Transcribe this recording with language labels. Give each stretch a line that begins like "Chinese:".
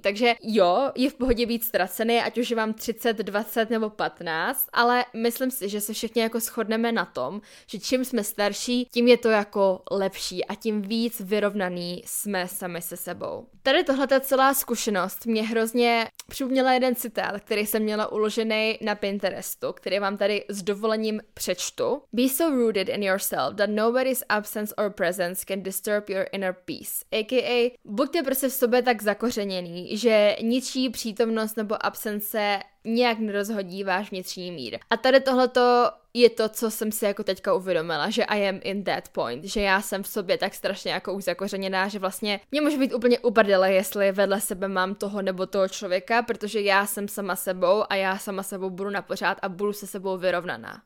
Czech: Takže jo, je v pohodě být ztracený, ať už vám 30, 20 nebo 15, ale myslím si, že se všichni jako shodneme na tom, že čím jsme starší, tím je to jako lepší a tím víc vyrovnaný jsme sami se sebou. Tady tohle ta celá zkušenost mě hrozně připomněla jeden citát, který jsem měla uložený na Pinterestu, který vám tady s dovolením přečtu.
English: Be so rooted in yourself that nobody's absence or presence can disturb your inner peace. A.k.a.
Czech: buďte prostě v sobě tak zakořeněný, že ničí přítomnost nebo absence nějak nerozhodí váš vnitřní mír. A tady tohleto je to, co jsem si jako teďka uvědomila, že
English: I am in that point,
Czech: že já jsem v sobě tak strašně jako už zakořeněná, že vlastně mě může být úplně uprdele, jestli vedle sebe mám toho nebo toho člověka, protože já jsem sama sebou a já sama sebou budu napořád a budu se sebou vyrovnaná.